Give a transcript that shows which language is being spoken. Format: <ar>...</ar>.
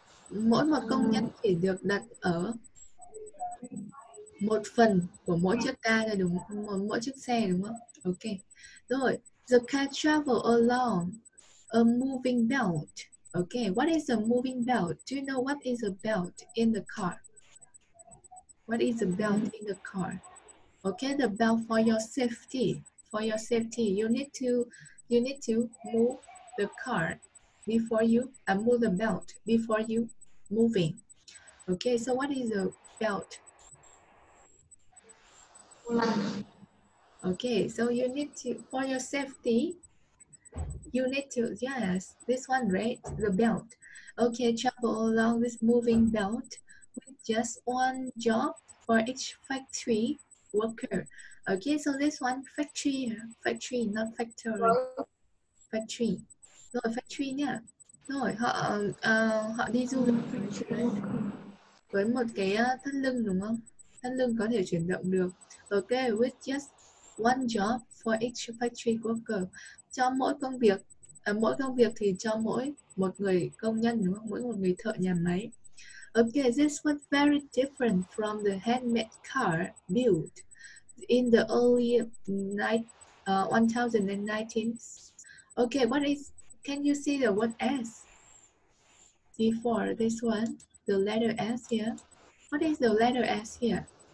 <vi>mỗi một công nhân chỉ được đặt ở một phần của mỗi chiếc ca là đúng không? Mỗi chiếc xe đúng không? Ok.</vi> <en>Rồi, the car travel along a moving belt. Ok, what is a moving belt? Do you know what is a belt in the car? What is a belt in the car? Ok, the belt for your safety. For your safety, you need to move the car before you move the belt before you moving. Okay, so what is a belt? Okay, so you need to, for your safety, you need to, yes, this one, right? The belt. Okay, travel along this moving belt with just one job for each factory worker. Okay, so this one, factory, not factory. Factory. No, factory, yeah.</en> <vi>Rồi, họ đi du lịch với một cái thắt lưng đúng không? Thắt lưng có thể chuyển động được.</vi> <en>Ok, with just one job for each factory worker.</en> <vi>Cho mỗi công việc thì cho mỗi một người công nhân đúng không? Mỗi một người thợ nhà máy.</vi> <en>Ok, this was very different from the handmade car built in the early 1990s. Ok, what is, can you see the word S? Before this one, the letter S here. What is the letter S here?</en>